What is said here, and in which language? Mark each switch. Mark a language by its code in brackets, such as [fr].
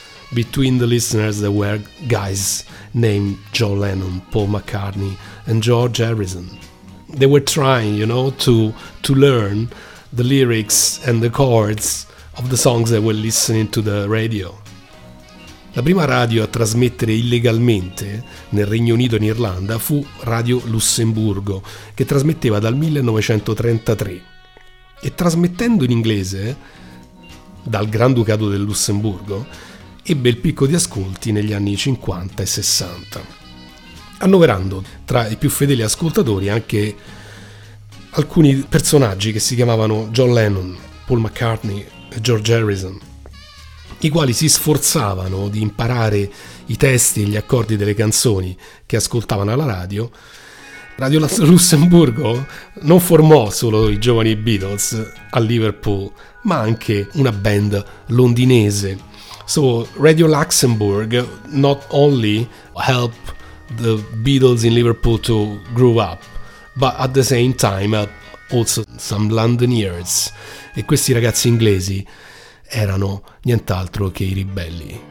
[en] Between the listeners, there were guys named John Lennon, Paul McCartney, and George Harrison. They were trying, you know, to learn the lyrics and the chords of the songs they were listening to the radio. [it] La prima radio a trasmettere illegalmente nel Regno Unito e in Irlanda fu Radio Lussemburgo, che trasmetteva dal 1933. E trasmettendo in inglese, dal Granducato del Lussemburgo, ebbe il picco di ascolti negli anni 50 e 60, annoverando tra i più fedeli ascoltatori anche alcuni personaggi che si chiamavano John Lennon, Paul McCartney e George Harrison, i quali si sforzavano di imparare i testi e gli accordi delle canzoni che ascoltavano alla radio. Radio Lussemburgo non formò solo i giovani Beatles a Liverpool, ma anche una band londinese. [en] So Radio Luxembourg not only helped the Beatles in Liverpool to grow up, but at the same time also some Londoners. [it] E questi ragazzi inglesi erano nient'altro che i ribelli.